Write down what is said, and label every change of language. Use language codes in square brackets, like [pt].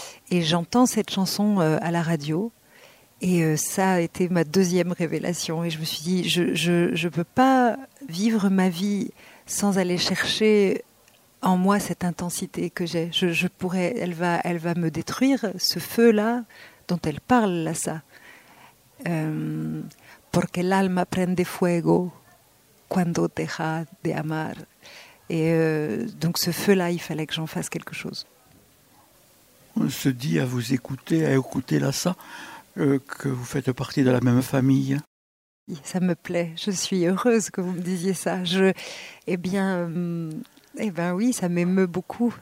[fr] Et j'entends cette chanson à la radio, et ça a été ma deuxième révélation. Et je me suis dit, je ne peux pas vivre ma vie sans aller chercher en moi cette intensité que j'ai. Elle va me détruire, ce feu-là dont elle parle, là, ça. [es] Porque el alma prende fuego cuando deja de amar. [fr] Et donc ce feu-là, il fallait que j'en fasse quelque chose. On se dit à vous écouter, à écouter Lhassa, que vous faites partie de la même famille. Ça me plaît. Je suis heureuse que vous me disiez ça. Oui, ça m'émeut beaucoup.